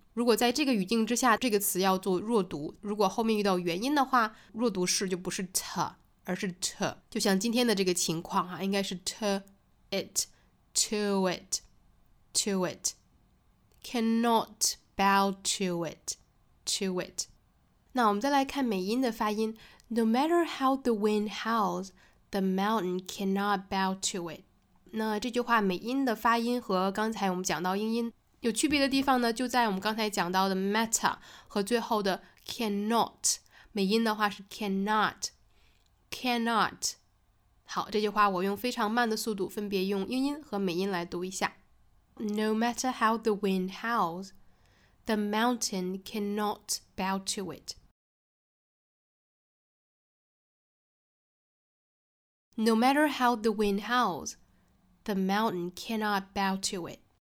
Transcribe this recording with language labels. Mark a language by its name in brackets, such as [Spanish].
[Chinese] 如果在这个语境之下这个词要做弱读，如果后面遇到元音的话，弱读是就不是 t 而是 t， 就像今天的这个情况应该是 t itTo it, [English] to it, cannot bow to it, to it. [Chinese] 那我们再来看美音的发音。 [English] No matter how the wind howls, the mountain cannot bow to it. [Chinese] 那这句话美音的发音和刚才我们讲到英音有区别的地方呢，就在我们刚才讲到的 matter 和最后的 cannot。美音的话是 cannot, cannot。好，这句话我用非常慢的速度分别用英音和美音来读一下。 [English] No matter how the wind howls, the mountain cannot bow to it. No matter how the wind howls, the mountain cannot bow to it.